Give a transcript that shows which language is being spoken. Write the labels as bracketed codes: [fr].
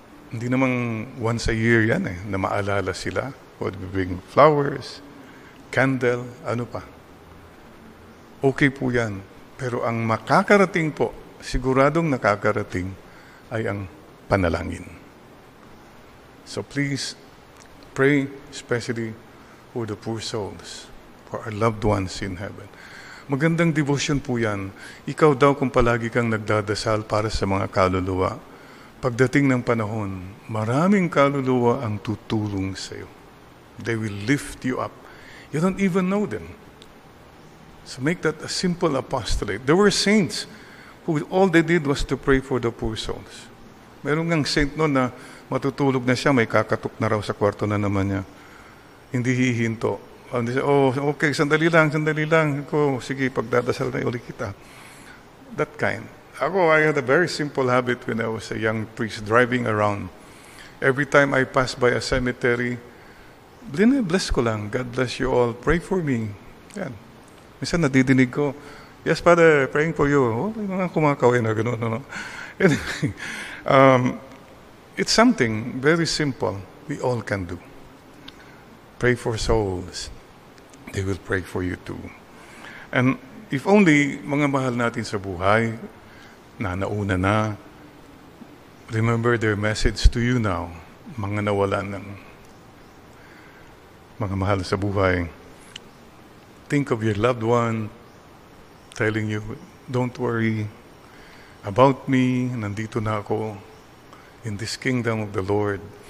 [tl] Hindi namang [en] once a year [tl] yan eh, na maalala sila. [en] Would we bring flowers, candle, [tl] ano pa? Okay po yan. Pero ang makakarating po, siguradong nakakarating ay ang panalangin. [en] So please pray especially for the poor souls, for our loved ones in heaven. [tl] Magandang devotion po yan. Ikaw daw kung palagi kang nagdadasal para sa mga kaluluwa, pagdating ng panahon, maraming kaluluwa ang tutulong sa iyo. [en] They will lift you up. You don't even know them. So make that a simple apostolate. There were saints who all they did was to pray for the poor souls. [tl] Meron ngang saint noon na matutulog na siya, may kakatok na raw sa kwarto na naman niya. Hindi hihinto. Oh, okay, sandali lang. Sige, pagdadasal na uli kita. That kind. [en] Ako, I had a very simple habit when I was a young priest driving around. Every time I pass by a cemetery, bless [tl] ko lang. [en] God bless you all. Pray for me. Yan. [tl] Minsan nadidinig ko, [en] yes, Father, praying for you. [tl] Oh, may mga kumakaway na gano'n. No? [en] Anyway, it's something very simple we all can do. Pray for souls. They will pray for you too. And if only [tl] mga mahal natin sa buhay, na nauna na, [en] remember their message to you now, [tl] mga nawalan ng mga mahal sa buhay. [en] Think of your loved one telling you, don't worry about me, [tl] nandito na ako [en] in this kingdom of the Lord.